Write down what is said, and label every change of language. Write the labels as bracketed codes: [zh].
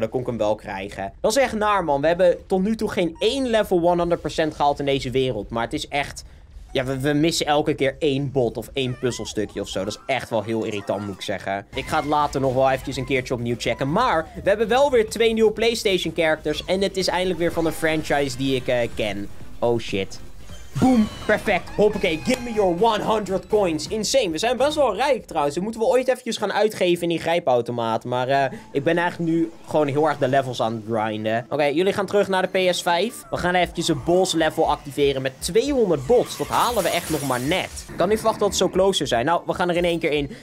[nl] Dan kon ik hem wel krijgen. Dat is echt naar, man. We hebben tot nu toe geen één level 100% gehaald in deze wereld. Maar het is echt... Ja, we missen elke keer één bot of één puzzelstukje of zo. Dat is echt wel heel irritant, moet ik zeggen. Ik ga het later nog wel eventjes een keertje opnieuw checken. Maar we hebben wel weer twee nieuwe PlayStation-characters. En het is eindelijk weer van een franchise die ik ken. Oh, shit. Boom, perfect. [en] Hoppakee, give me your 100 coins. [nl] Insane, we zijn best wel rijk trouwens. Dat moeten we ooit eventjes gaan uitgeven in die grijpautomaat. Maar ik ben eigenlijk nu gewoon heel erg de levels aan het grinden. Oké, jullie gaan terug naar de PS5. We gaan eventjes een boss level activeren met 200 bots. Dat halen we echt nog maar net. Ik kan niet verwachten dat ze zo close zou zijn. Nou, we gaan er in één keer in.